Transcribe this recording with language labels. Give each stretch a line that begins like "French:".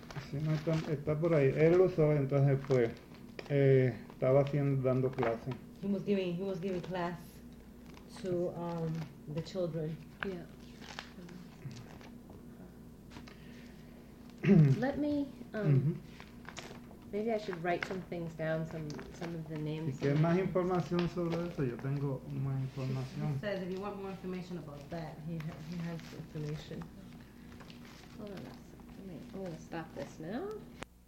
Spanish: Sí, no, está por ahí. Él lo sabe, entonces fue. Estaba haciendo dando clase.
English: He was giving class to the children. Yeah. Let me maybe I should write some things down, some of the names.
Spanish: Si quieres más información sobre eso, yo tengo más información.
English: He says if you want more information about that, he has information. Hold on a second. I'm gonna stop this now.